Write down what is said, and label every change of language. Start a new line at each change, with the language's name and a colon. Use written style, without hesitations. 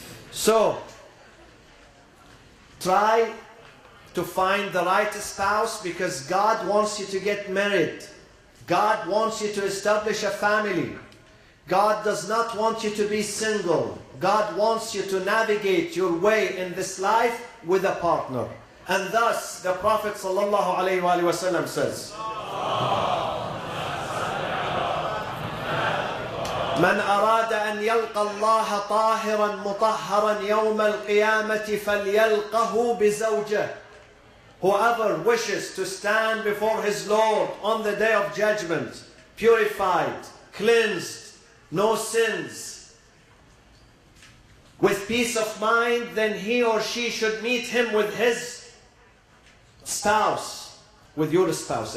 English: So, try to find the right spouse, because God wants you to get married. God wants you to establish a family. God does not want you to be single. God wants you to navigate your way in this life with a partner. And thus, the Prophet ﷺ says,
Arabic: مَنْ أَرَادَ أَنْ يَلْقَ اللَّهَ طَاهِرًا مُطَهَّرًا يَوْمَ الْقِيَامَةِ فَلْيَلْقَهُ بِزَوْجَهُ.
English: Whoever wishes to stand before his Lord on the Day of Judgment, purified, cleansed, no sins, with peace of mind, then he or she should meet him with his spouse, with your spouse.